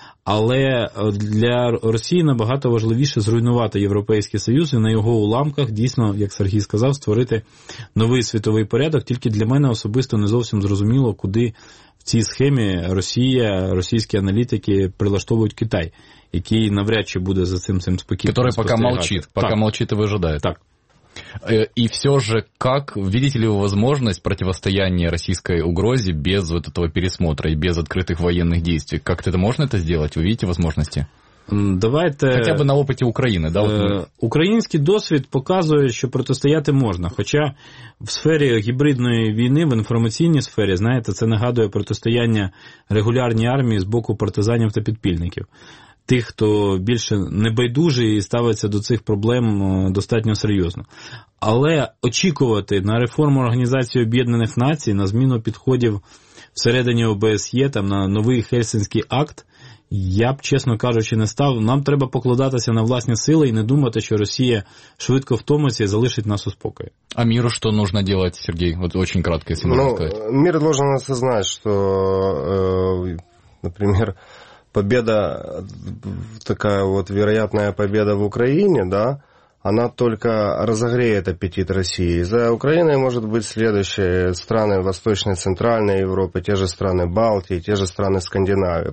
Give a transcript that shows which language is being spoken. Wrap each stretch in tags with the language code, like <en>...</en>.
<uk>Але для Росії набагато важливіше зруйнувати Європейський Союз і на його уламках, дійсно, як Сергій сказав, створити новий світовий порядок. Тільки для мене особисто не зовсім зрозуміло, куди в цій схемі Росія, російські аналітики прилаштовують Китай, який навряд чи буде за цим спокійно спостерігати. Який поки мовчить, і вижидає. Так.</uk> <ru>И все же, как видите ли вы возможность противостояния российской угрозе без вот этого пересмотра и без открытых военных действий? Как-то это можно это сделать? Вы видите возможности? Давайте... Хотя бы на опыте Украины, да?</ru> <uk>Украинский досвід показує, що протистояти можна. Хоча в сфері гібридної війни, в інформаційній сфері, знаєте, це нагадує протистояння регулярній армії з боку партизанів та підпільників. Тих, хто більше небайдужий і ставиться до цих проблем достатньо серйозно. Але очікувати на реформу Організації Об'єднаних Націй, на зміну підходів всередині ОБСЄ, там, на новий Хельсинський акт, я б, чесно кажучи, не став. Нам треба покладатися на власні сили і не думати, що Росія швидко втомиться і залишить нас у спокої. А міру що потрібно робити, Сергій? От дуже кратко, якщо можна сказати. Мір повинен це знати, що, наприклад,</uk> <ru>победа, такая вот вероятная победа в Украине, да, она только разогреет аппетит России. За Украиной может быть следующие страны Восточной и Центральной Европы, те же страны Балтии, те же страны Скандинавии.</ru>